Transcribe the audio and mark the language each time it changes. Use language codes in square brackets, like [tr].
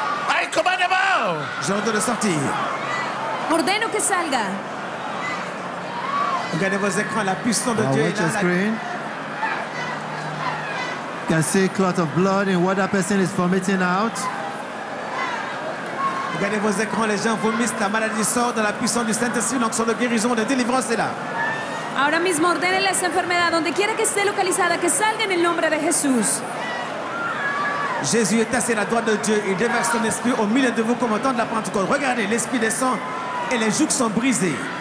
[en] I command them out. [fr] J'ordre de sortie. [es] Ordeno que salga. [fr] Regardez vos écrans, la puissance de Dieu. [en] Watch your screen. You can see a clot of blood in what that person is vomiting out. [fr] Regardez vos écrans, les gens vomissent, la maladie sort de la puissance du Saint-Esprit, l'onction de guérison, de délivrance est là. [es] Ahora mismo ordene la enfermedad donde quiera que esté localizada que salga en el nombre de Jesús. [fr] Jésus est assis à la droite de Dieu, il déverse son esprit au milieu de vous comme au temps de la Pentecôte. Regardez, l'esprit descend et les jougs sont brisés.